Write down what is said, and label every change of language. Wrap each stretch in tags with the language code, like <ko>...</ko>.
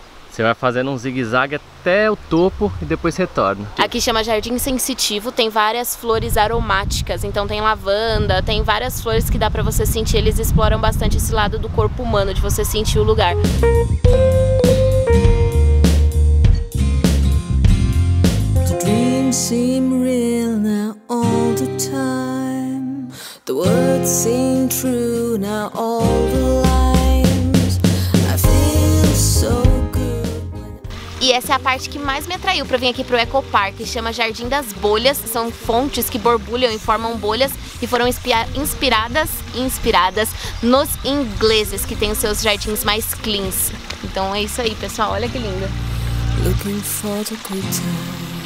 <pt>Você vai fazendo um zigue-zague até o topo e depois retorna. Aqui chama Jardim Sensitivo, tem várias flores aromáticas, então tem lavanda, tem várias flores que dá pra você sentir. Eles exploram bastante esse lado do corpo humano, de você sentir o lugar.</pt> <en>The dream seem real now all the time. The words seem true now all the lines. I feel so good.</en> <pt>E essa é a parte que mais me atraiu pra vir aqui pro Eco Park. Chama Jardim das Bolhas. São fontes que borbulham e formam bolhas e foram inspiradas nos ingleses, que têm os seus jardins mais cleans. Então é isso aí, pessoal. Olha que lindo.</pt> <en>Looking for the good time.</en>